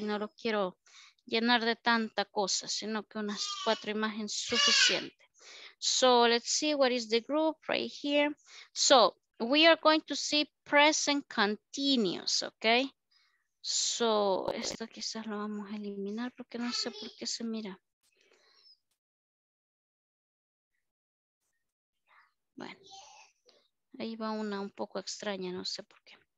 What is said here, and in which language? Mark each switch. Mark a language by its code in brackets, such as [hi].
[es] No lo quiero llenar de tanta cosa, sino que unas cuatro imágenes suficiente. [en] So let's see what is the group right here. So we are going to see present continuous, okay? [es] So, esto quizás lo vamos a eliminar porque no sé por qué se mira. Bueno, ahí va una un poco extraña, no sé por qué.